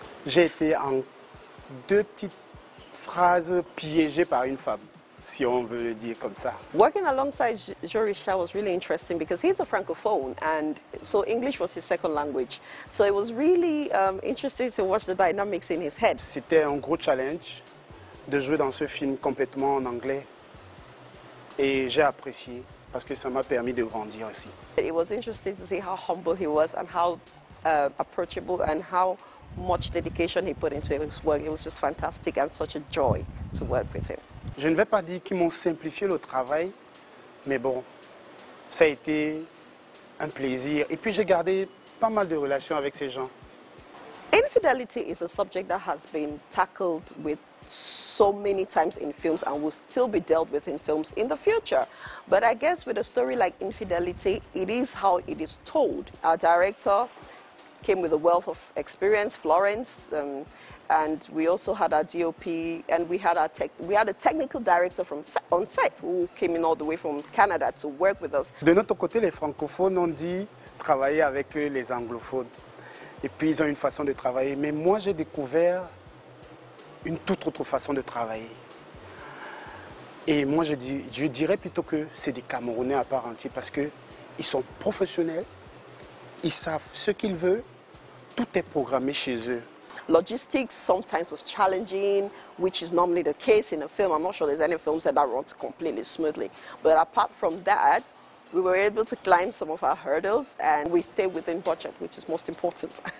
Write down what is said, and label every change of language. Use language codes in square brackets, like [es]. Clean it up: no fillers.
[fr] J'ai été en deux petites phrases piégé par une femme, si on veut le dire comme ça. [en] Working alongside Jorisha was really interesting because he's a francophone, and so English was his second language. So it was really interesting to watch the dynamics in his head. [fr] C'était un gros challenge de jouer dans ce film complètement en anglais, et j'ai apprécié parce que ça m'a permis de grandir aussi. [en] It was interesting to see how humble he was and how approachable and how much dedication he put into his work. It was just fantastic and such a joy to work with him. [fr] Je ne vais pas dire qu'ils m'ont simplifié le travail, mais bon, ça a été un plaisir. Et puis j'ai gardé pas mal de relations avec ces gens. [en] Infidelity is a subject that has been tackled with so many times in films and will still be dealt with in films in the future. But I guess with a story like Infidelity, it is how it is told. Our director came with a wealth of experience, Florence, and we also had our DOP, and we had a technical director from on set who came in all the way from Canada to work with us. [fr] De notre côté, les francophones ont dit travailler avec eux, les anglophones. Et puis ils ont une façon de travailler. Mais moi, j'ai découvert une toute autre façon de travailler. Et moi, je dirais plutôt que c'est des Camerounais à part entière parce qu'ils sont professionnels, ils savent ce qu'ils veulent, tout est programmé chez eux. [en] Logistics sometimes was challenging, which is normally the case in a film. I'm not sure there's any films that run completely smoothly. But apart from that, we were able to climb some of our hurdles and we stayed within budget, which is most important.